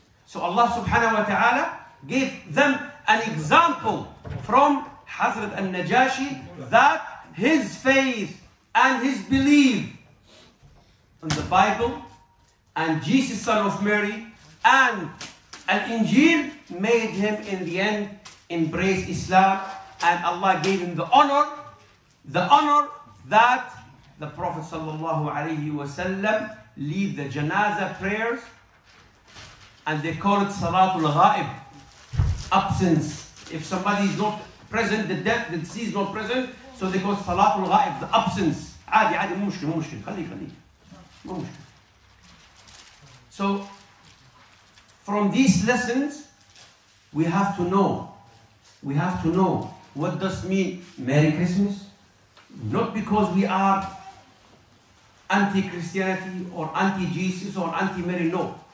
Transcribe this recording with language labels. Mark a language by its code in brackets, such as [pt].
[en] So Allah subhanahu wa ta'ala gave them an example from Hazrat al-Najashi that his faith and his belief in the Bible and Jesus, son of Mary, and al-Injil made him in the end embrace Islam and Allah gave him the honor that the Prophet sallallahu alayhi wa sallam lead the janazah prayers and they call it salatul ghaib absence if somebody is not present the deceased is not present so they call it salatul ghaib the absence [ar] عادي عادي مو مشكلة مو مشكلة خليه خليه مو مشكلة. [en] So from these lessons we have to know, we have to know what does mean Merry Christmas. Not because we are anti-Christianity or anti-Jesus or anti-Mary, no.